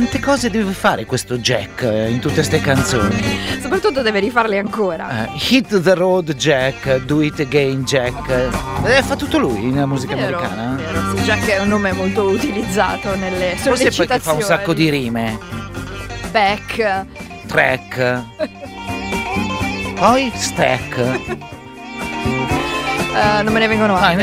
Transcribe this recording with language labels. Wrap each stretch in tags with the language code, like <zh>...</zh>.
<it>cose deve fare questo Jack in tutte ste canzoni? Soprattutto deve rifarle ancora.</it> <en>Hit the road Jack, do it again Jack.</en> <it>Fa tutto lui nella musica americana. Vero, sì. Jack è un nome molto utilizzato nelle sollecitazioni. Forse perché fa un sacco di rime.</it> <en>Back. Track. Poi stack.</en> <it>Non me ne vengono altre.</it>